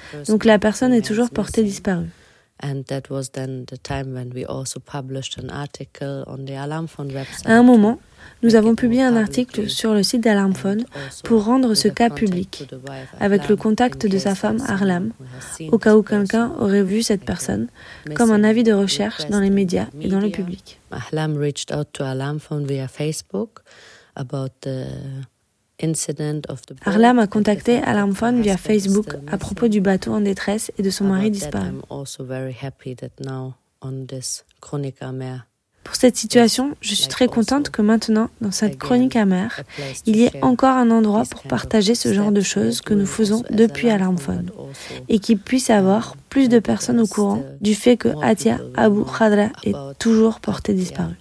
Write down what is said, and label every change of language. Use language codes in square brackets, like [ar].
[fr] Donc la personne est toujours portée disparue. À un moment, nous avons publié un article sur le site d'Alamphone pour rendre ce cas public, avec le contact de sa femme Ahlam, au cas où quelqu'un aurait vu cette personne, comme un avis de recherche dans les médias et dans le public. [en] Ahlam reached out to Alamphone via Facebook about the incident of the boat. [fr] Ahlam a contacté Alamphone via Facebook à propos du bateau en détresse et de son mari disparu. [en] I'm also very happy that now on this chronique amère. [fr] Pour cette situation, je suis très contente que maintenant, dans cette chronique amère, il y ait encore un endroit pour partager ce genre de choses que nous faisons depuis Alamphone et qu'il puisse avoir plus de personnes au courant du fait que Atiya Abou Hadra est toujours portée disparue.